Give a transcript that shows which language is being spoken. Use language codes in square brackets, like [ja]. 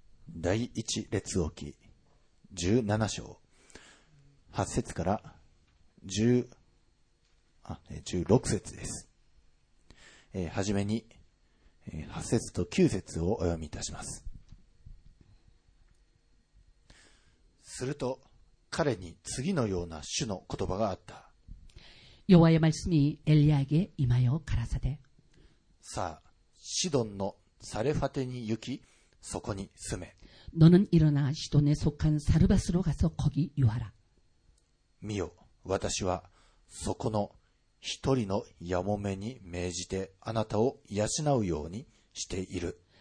[ja] 第1列王記17章8節から16節です。はじめに8節と9節をお読みいたします。すると彼に次のような主の言葉があった。 [ko] 여호와의말씀이엘리야에게임하여가라사대 [ja] さあシドンのサルファテに行き、そこに住め。 [ko] 너는일어나시돈에속한사르밧으로가서거기유하라。 [ja] 見よ、私はそこの一人のヤモメに命じてあなたを養うようにしている。